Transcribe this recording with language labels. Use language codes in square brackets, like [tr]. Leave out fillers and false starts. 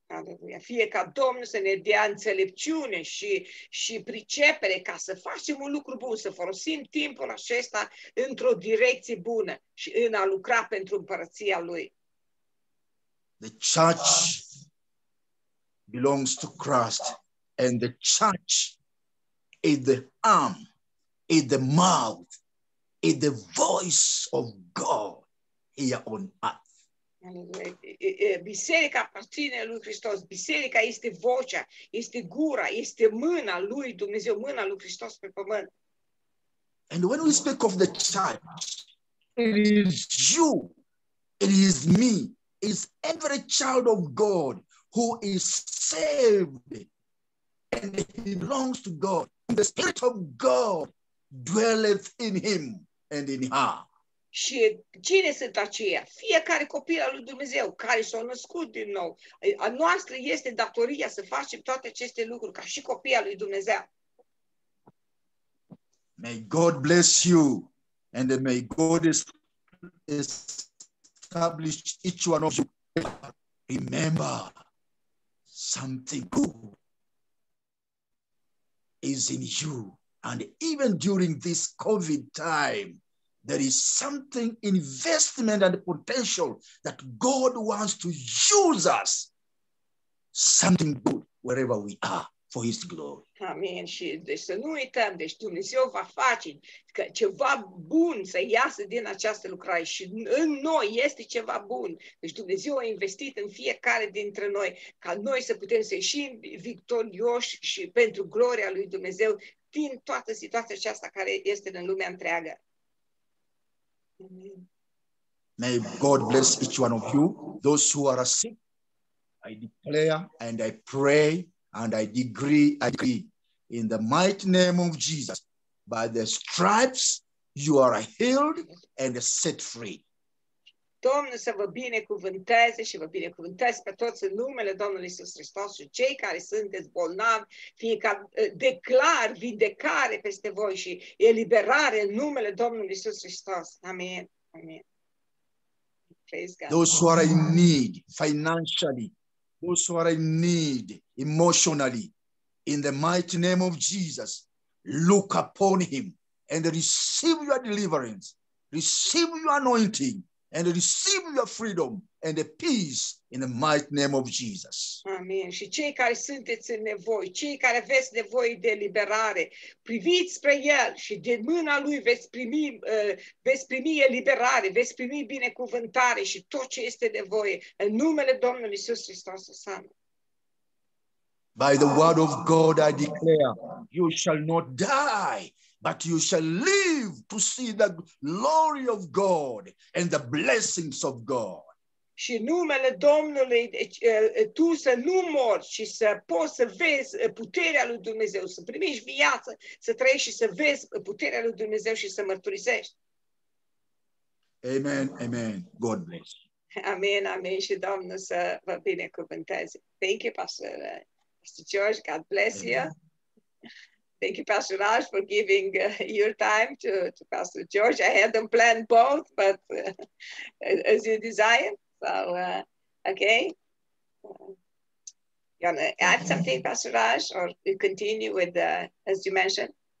[ro] Aleluia. Fie ca Domnul să ne dea înțelepciune și pricepere ca să facem un lucru bun, să folosim timpul acesta într-o direcție bună și în a lucra pentru împărăția Lui. [en] The church belongs to Christ and the church is the arm, is the mouth, is the voice of God here on earth. [ro] Biserica aparține lui Hristos. Biserica este vocea, este gura, este mâna lui Dumnezeu, mâna lui Hristos pe pământ. [en] And when we speak of the church, it is you, it is me, it is every child of God who is saved and he belongs to God. The Spirit of God dwelleth in him and in her. [ro] Și cine sunt aceia? Fiecare copil al lui Dumnezeu care s-a născut din nou. A noastră este datoria să facem toate aceste lucruri ca și copii al lui Dumnezeu. [en] May God bless you and may God establish each one of you. Remember, something good is in you. And even during this COVID time, there is something investment and potential that God wants to use us. Something good wherever we are for His glory. Amen. [ro] Și deci să nu uităm, deci Dumnezeu va face că ceva bun să iasă din această lucrare și în noi este ceva bun. Deci Dumnezeu a investit în fiecare dintre noi ca noi să putem să ieșim victorioși și pentru gloria lui Dumnezeu din toată situația aceasta care este în lumea întreagă. [en] May God bless each one of you, those who are sick. I declare and I pray and I decree in the mighty name of Jesus, by the stripes you are healed and set free. [ro] Domnul să vă binecuvânteze și vă binecuvânteze pe toți în numele Domnului Iisus Hristos și cei care sunteți bolnavi, fie ca declar vindecare peste voi și eliberare în numele Domnului Iisus Hristos. Amen. Amen. [en] Praise God. Those who are in need financially, those who are in need emotionally, in the mighty name of Jesus, look upon Him and receive your deliverance, receive your anointing, and receive your freedom and the peace in the mighty name of Jesus. Amen. [ro] Și cei care sunteți în nevoi, cei care aveți nevoie de eliberare, priviți spre El și de mâna Lui veți primi eliberare, veți primi binecuvântare și tot ce este nevoie în numele Domnului Iisus Hristos. Amen. [en] By the word of God I declare, you shall not die, but you shall live to see the glory of God and the blessings of God. [ro] Și numele Domnului, tu să nu mori și să poți să vezi puterea lui Dumnezeu, să primești viață, să trăiești și să vezi puterea lui Dumnezeu și să mărturisești. [en] Amen, amen. God bless you. Amen, amen. [ro] Și Domnul să vă binecuvânteze. [en] Thank you, Pastor. Mr. George, God bless you. Thank you, Pastor Raj, for giving your time to Pastor George. I had them planned both, but as you desire. So, okay. You want to add something, Pastor Raj, or you continue with, as you mentioned?